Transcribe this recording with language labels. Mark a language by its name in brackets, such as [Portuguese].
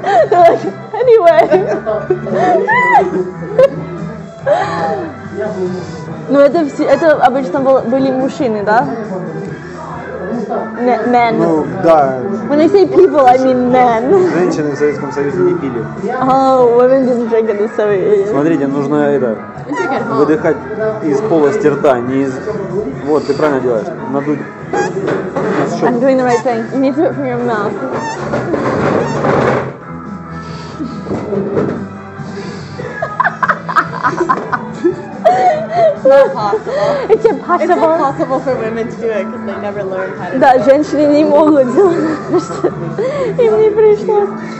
[English] Like, anyway. [Russian] Ну это обычно были мужчины, да? [English] Men. [Russian] Ну да. [English] When I say people, I mean men. [Russian] Женщины в Советском Союзе не пили. [English] Oh, women didn't drink in the Soviet Union. [Russian] Смотрите, нужно это выдыхать из полости рта, не из. Вот ты правильно делаешь. Надуть. [English] I'm doing the right thing. You need to do it from your mouth. It's not possible. It's impossible. It's impossible for women to do it because they never learned how to do it. [Russian] Да, женщины не могут делать. Им не пришлось.